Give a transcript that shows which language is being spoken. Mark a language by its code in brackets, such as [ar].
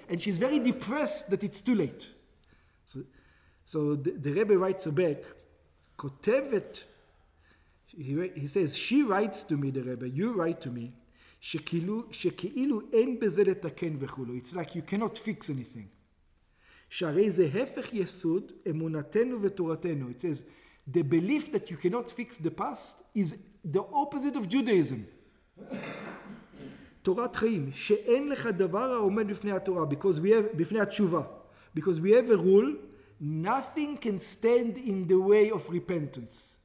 [en] And she's very depressed that it's too late. So the Rebbe writes her back, Kotevet, he says, she writes to me, the Rebbe, you write to me, [he] שכאילו אין בזה לתקן וכולו. [en] It's like you cannot fix anything. [he] שהרי זה הפך יסוד אמונתנו ותורתנו. [en] It says, the belief that you cannot fix the past is the opposite of Judaism. [he] תורת חיים, שאין לך דבר העומד בפני התורה, בפני התשובה. [en] Because we have a rule, nothing can stand in the way of repentance.